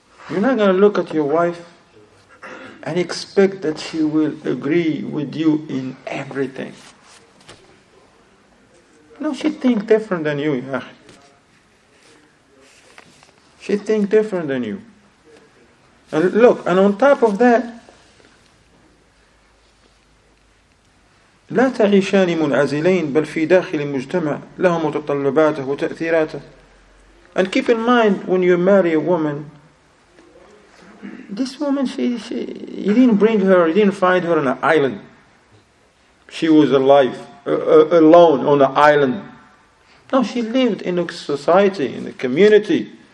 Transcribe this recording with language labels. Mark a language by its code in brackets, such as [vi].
[en] You're not going to look at your wife and expect that she will agree with you in everything. No, she thinks different than you. Yeah. She thinks different than you. And look, and on top of that, [ar] لا تعيشان منعزلين بل في داخل المجتمع له متطلباته وتأثيراته. [en] And keep in mind, when you marry a woman, this woman, she you didn't bring her, you didn't find her on an island. She was alive, alone on an island. No, she lived in a society, in a community.